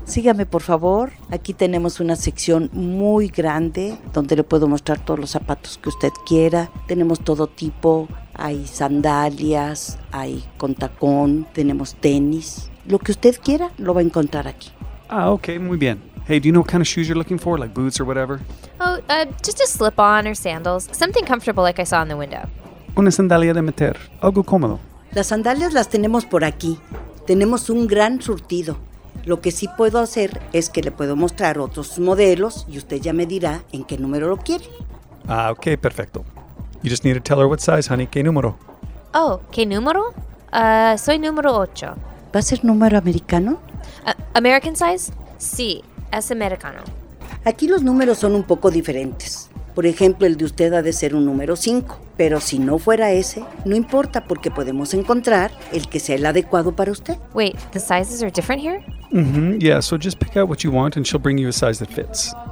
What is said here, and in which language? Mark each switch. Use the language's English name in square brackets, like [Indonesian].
[Spanish] Sígame, por favor. Aquí tenemos una sección muy grande donde le puedo mostrar todos los zapatos que usted quiera. Tenemos todo tipo. Hay sandalias, hay con tacón, tenemos tenis. Lo que usted quiera lo va a encontrar aquí. Ah, ok, muy bien. [English] Hey, do you know what kind of shoes you're looking for, like boots or whatever? Just a slip-on or sandals. Something comfortable like I saw in the window. [Spanish] Una sandalia de meter. Algo cómodo. Las sandalias las tenemos por aquí. Tenemos un gran surtido. Lo que sí puedo hacer es que le puedo mostrar otros modelos y usted ya me dirá en qué número lo quiere. Ah, ok, perfecto. [English] You just need to tell her what size, honey. [Spanish] ¿Qué número? Oh, ¿qué número? Soy número 8. ¿Va a ser número americano? [English] American size? [Spanish] Sí, es americano. Aquí los números son un poco diferentes. Por ejemplo, el de usted ha de ser un número 5, pero si no fuera ese, no importa porque podemos encontrar el que sea el adecuado para usted. [English] Wait, the sizes are different here? Mm-hmm, yeah, so just pick out what you want and she'll bring you a size that fits.